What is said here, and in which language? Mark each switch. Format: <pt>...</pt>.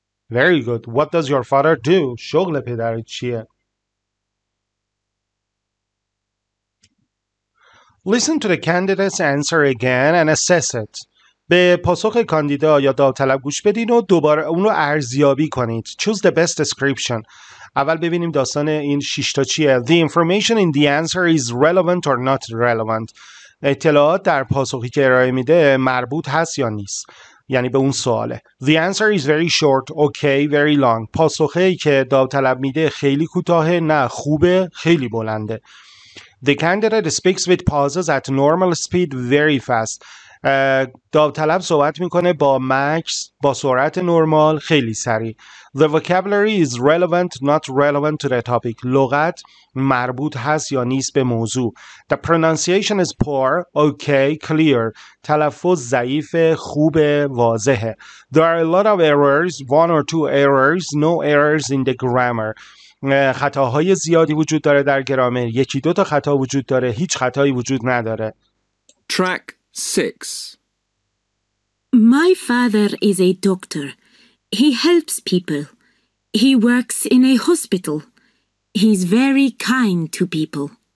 <en>Very good. What does your father do?</en> <fa>شغل پدرت چیه؟</fa> <en>Listen to the candidate's answer again and assess it.</en> <fa>به پاسخ کاندیدا یا داوطلب گوش بدین و دوباره اونو ارزیابی کنید.</fa> <en>Choose the best description.</en> <fa>اول ببینیم داستان این شیشتا چیه.</fa> <en>The information in the answer is relevant or not relevant.</en> <fa>اطلاعات در پاسخی که ارائه میده مربوط هست یا نیست. یعنی به اون سواله.</fa> <en>The answer is very short. Okay, very long.</en> <fa>پاسخی که داوطلب میده خیلی کوتاهه، نه خوبه، خیلی بلنده.</fa> <en>The candidate speaks with pauses at normal speed, very fast.</en> <fa>داوطلب صحبت میکنه با مکس، با سرعت نرمال، خیلی سریع.</fa> <en>The vocabulary is relevant, not relevant to the topic.</en> <fa>لغت مربوط هست یا نیست به موضوع.</fa> <en>The pronunciation is poor, okay, clear.</en> <fa>تلفظ ضعیف، خوب، واضحه.</fa> <en>There are a lot of errors, one or two errors, no errors in the grammar.</en> <fa>خطاهای زیادی وجود داره در گرامر. یکی دو تا خطا وجود داره. هیچ خطایی وجود نداره.</fa> <en>Track 6. My father is a doctor. He helps people. He works in a hospital. He's very kind to people.</en>